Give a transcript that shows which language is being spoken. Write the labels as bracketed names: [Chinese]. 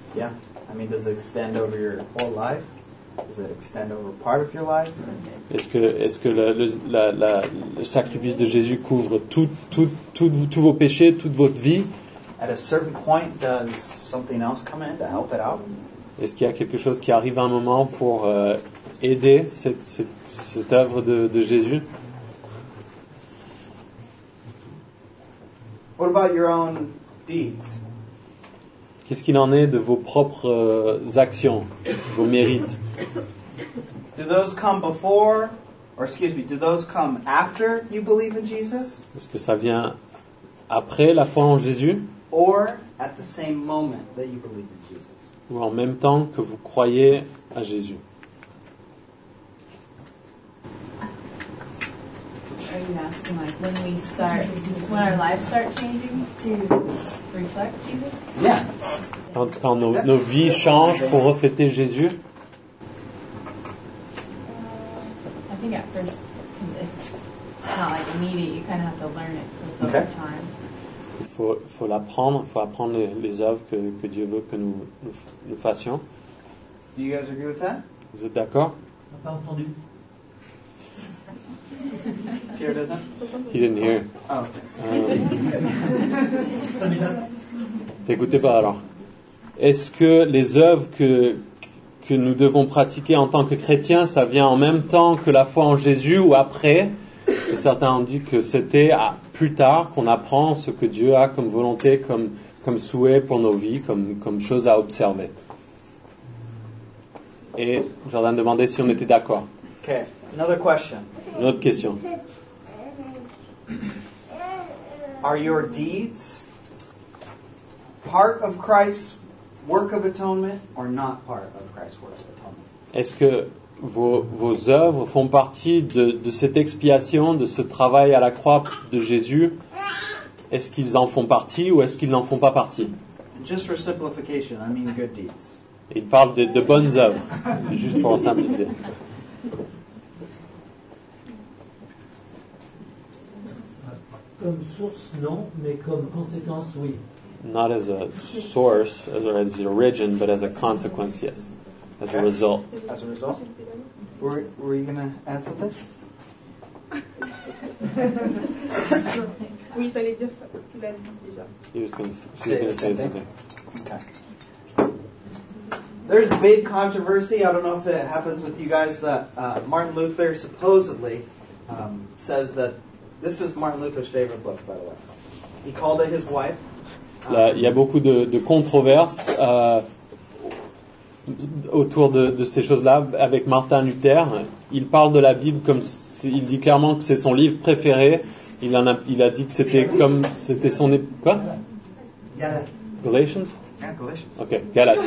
[English] Yeah. I mean, does it extend over your whole life? Does it extend over part of your life? Okay. [French] Est-ce que le sacrifice de Jésus couvre tous vos péchés, toute votre vie? [English] At a certain point, does something else come in to help it out? [French] Est-ce qu'il y a quelque chose qui arrive à un moment pour aider cette œuvre de Jésus? [English] What about your own deeds? [French] Qu'est-ce qu'il en est de vos propres actions, vos mérites? [English] Do those come before, or excuse me, do those come after you believe in Jesus? [French] Est-ce que ça vient après la foi en Jésus? [English] Or at the same moment that you believe in Jesus. [French] Ou en même temps que vous croyez à Jésus. [English] Are you asking like when we start, when our lives start changing to reflect Jesus? Yeah. [French] Quand nos vies changent pour refléter Jésus? [English] I think at first it's not like immediate. You kind of have to learn it, so it's over time. [French] Faut l'apprendre, faut apprendre les œuvres que Dieu veut que nous fassions. [English] Do you guys agree with that? [French] Vous êtes d'accord? On n'a pas entendu. [English] Pierre doesn't? He didn't hear. Oh. [French] T'écoutais pas alors. Est-ce que les œuvres que nous devons pratiquer en tant que chrétiens, ça vient en même temps que la foi en Jésus ou après? Et certains ont dit que c'était plus tard qu'on apprend ce que Dieu a comme volonté, comme souhait pour nos vies, comme chose à observer. Et Jordan demandait si on était d'accord. [English] Ok, another question. [French] Une autre question. [English] Are your deeds part of Christ's work of atonement or not part of Christ's work of atonement? [French] Est-ce que vos œuvres font partie de cette expiation, de ce travail à la croix de Jésus? Est-ce qu'ils en font partie ou est-ce qu'ils n'en font pas partie? [English] Just for simplification, I mean good deeds. [French] Il parle de bonnes œuvres, juste pour en simplifier. Comme source, non, mais comme conséquence, oui. [English] Not as a source, as the origin, but as a consequence, yes. As a result. As a result. Were you going to add something? [French] Oui, j'allais dire ce qu'il a dit déjà. [English] He was going to say something. Okay. There's big controversy. I don't know if it happens with you guys. Martin Luther supposedly says that this is Martin Luther's favorite book, by the way. He called it his wife. [French] Il y a beaucoup de controverses autour de ces choses-là avec Martin Luther. Il parle de la Bible comme il dit clairement que c'est son livre préféré. Il a dit que c'était son quoi? Galatians. Okay, Galates.